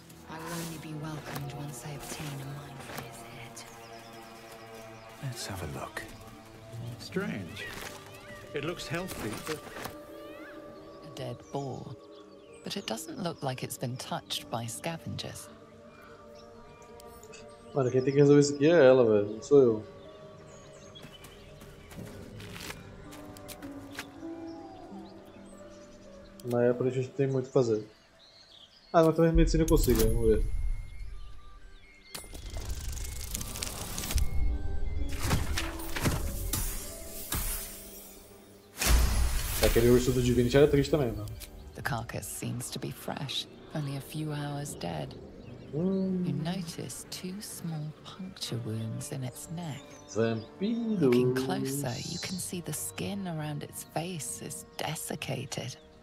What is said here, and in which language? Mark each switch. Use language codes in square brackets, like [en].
[en] I will only be welcomed once I obtain a mind for his head. Let's have a look. Strange. It looks healthy, but... A dead boar. But it doesn't look like it's been touched by scavengers. [pt] Mano, quem tem que resolver isso aqui é ela, velho. Não sou eu. Mas é, por isso a gente tem muito o que fazer. Ah, mas também medicina eu consigo, vamos ver. Aquele urso do Divinity era triste também, mano. [en] The carcass seems to be fresh, only a few hours dead. You notice two small puncture wounds in its neck. [pt] Vampiros. [en] Looking closer, you can see the skin around its face is desiccated.